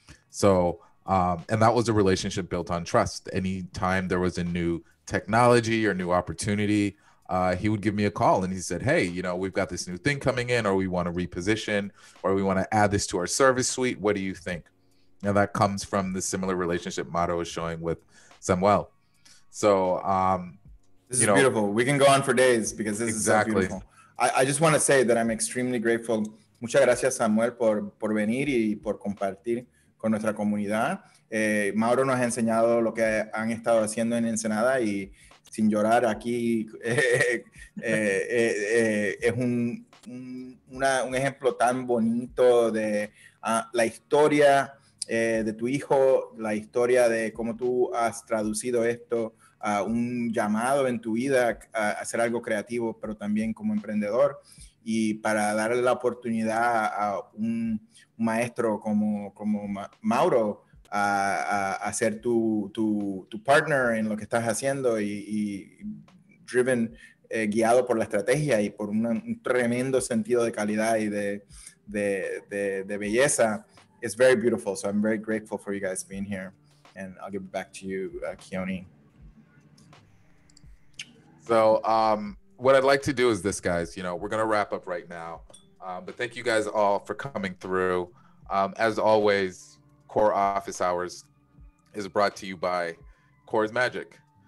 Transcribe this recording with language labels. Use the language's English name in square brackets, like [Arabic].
[English] So, and that was a relationship built on trust. Anytime there was a new technology or new opportunity, he would give me a call and he said, hey, you know, we've got this new thing coming in, or we want to reposition, or we want to add this to our service suite. What do you think? Now that comes from the similar relationship Mato is showing with Samuel. So, this is beautiful. We can go on for days because this is so beautiful. I just want to say that I'm extremely grateful. [Spanish] Muchas gracias, Samuel, por venir y por compartir con nuestra comunidad. Mauro nos ha enseñado lo que han estado haciendo en Ensenada y sin llorar aquí es un ejemplo tan bonito de la historia de tu hijo, la historia de cómo tú has traducido esto a un llamado en tu vida a hacer algo creativo, pero también como emprendedor, y para darle la oportunidad a un maestro como Mauro a ser tu partner en lo que estás haciendo y driven, guiado por la estrategia y por un tremendo sentido de calidad y de belleza. [English] It's very beautiful, so I'm very grateful for you guys being here. And I'll give it back to you, Keone. So what I'd like to do is this, guys. You know, we're going to wrap up right now. But thank you guys all for coming through. As always, Core Office Hours is brought to you by Core's Magic.